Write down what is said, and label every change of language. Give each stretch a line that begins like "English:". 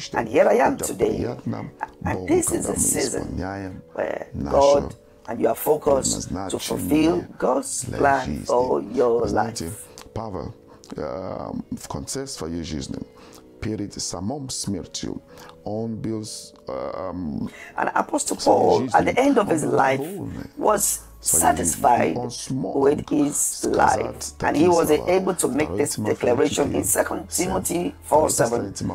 English: And here I am today. And this is a season where God and you are focused to fulfill God's plan for your life.
Russian: Павел, в конце своей жизни, перед самым смертью, он был...
English: And Apostle Paul, at the end of his life, was satisfied with his life. And he was able to make this declaration in 2 Timothy 4:7.